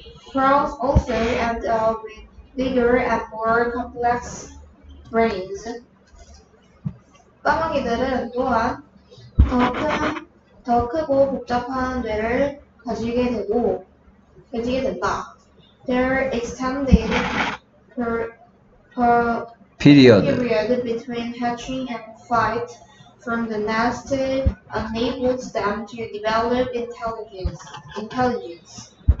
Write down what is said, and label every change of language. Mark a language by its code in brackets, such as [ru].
[en] Crows also end up with bigger and more complex brains. [ko] 까마귀들은 또한 더 크고 복잡한 뇌를 가지게 된다. [en] Their extended period between hatching and flight from the nest enables them to develop intelligence.